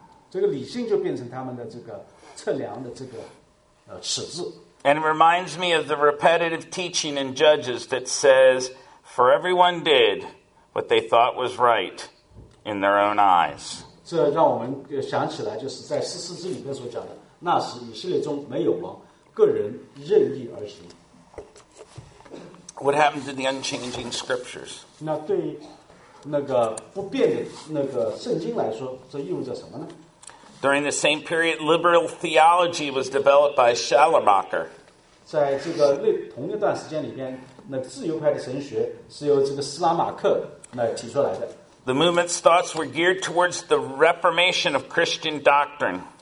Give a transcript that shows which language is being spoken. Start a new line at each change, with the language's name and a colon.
Chinese: 这个理性就变成他们的这个测量的这个尺子。
English: And it reminds me of the repetitive teaching in Judges that says, "For everyone did what they thought was right in their own eyes."
Chinese: 这让我们想起来，就是在士师记里面所讲的，那时以色列中没有王，个人任意而行。
English: What happened to the unchanging scriptures?
Chinese: 那对那个不变的那个圣经来说，这意味着什么呢？
English: During the same period, liberal theology was developed by Schleiermacher.
Chinese: 在这个同一段时间里边，那自由派的神学是由这个施拉马克来提出来的。
English: The movement's thoughts were geared towards the reformation of Christian doctrine.